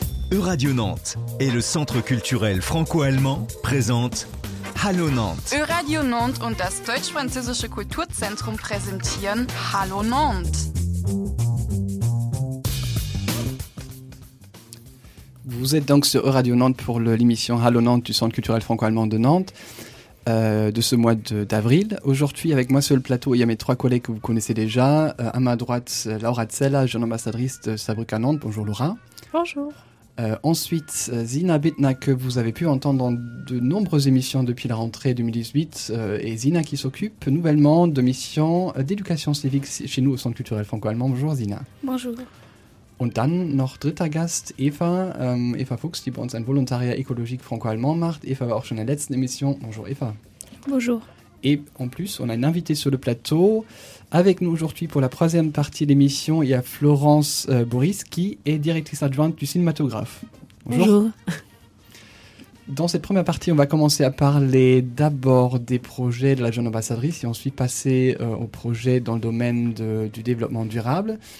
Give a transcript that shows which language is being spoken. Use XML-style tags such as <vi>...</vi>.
<fr>Euradio Nantes et le Centre culturel franco-allemand présentent Hallo Nantes.</fr> <de>Euradio Nantes und das deutsch-französische Kulturzentrum präsentieren Hallo Nantes.</de> <fr>Vous êtes donc sur Euradio Nantes pour l'émission Hallo Nantes du Centre culturel franco-allemand de Nantes de ce mois d'avril. Aujourd'hui, avec moi sur le plateau, il y a mes trois collègues que vous connaissez déjà. À ma droite, Laura Zella, jeune ambassadrice de Saarbrücker Nantes. Bonjour Laura. Bonjour. Ensuite, Zina Bittner, que vous avez pu entendre dans de nombreuses émissions depuis la rentrée 2018. Et Zina qui s'occupe nouvellement de missions d'éducation civique chez nous au Centre culturel franco-allemand. Bonjour Zina. Bonjour.</fr> <de>Und dann noch dritter Gast, Eva, Eva Fuchs, die bei uns ein Volontariat écologique franco-allemand macht. Eva war auch schon in der letzten Émission.</de> <fr>Bonjour Eva. Bonjour. Et en plus, on a une invitée sur le plateau. Avec nous aujourd'hui pour la troisième partie de l'émission, il y a Florence Bouris qui est directrice adjointe du cinématographe. Bonjour. Bonjour. Dans cette première partie, on va commencer à parler d'abord des projets de la jeune ambassadrice et ensuite passer aux projets dans le domaine du développement durable.</fr>